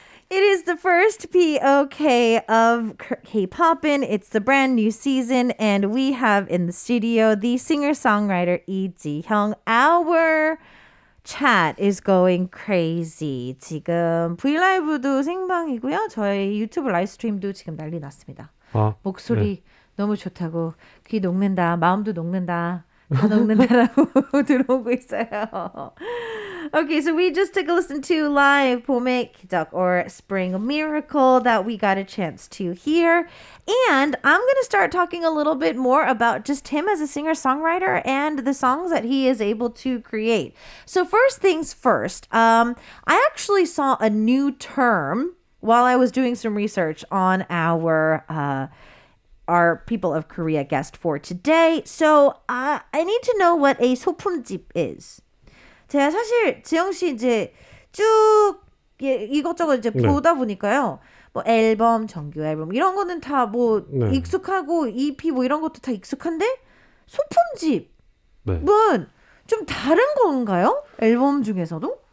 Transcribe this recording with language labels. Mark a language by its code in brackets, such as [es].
[en] It is the first POK of K-Poppin. It's the brand new season, and we have in the studio the singer-songwriter Lee Ji-hyung. Our chat is going crazy. [ko] 지금 V라이브도 생방이고요. 저희 유튜브 라이브스트림도 지금 난리 났습니다. 아, 목소리. 네. 너무 좋다고 귀 녹는다 마음도 녹는다 다 녹는다라고 들어오고 있어요. [en] Okay, so we just took a listen to live 봄의 기적 or Spring Miracle that we got a chance to hear, and I'm gonna start talking a little bit more about just him as a singer-songwriter and the songs that he is able to create. So first things first, I actually saw a new term while I was doing some research on our People of Korea guest for today. So I need to know what a 소품집 is. [ko] 제가 사실 지영 씨 이제 쭉 예, 이것저것 이제 네. 보다 보니까요. 뭐 앨범, 정규 앨범 이런 거는 다 뭐 네. 익숙하고 EP 뭐 이런 것도 다 익숙한데 소품집은 네. 좀 다른 건가요? 앨범 중에서도?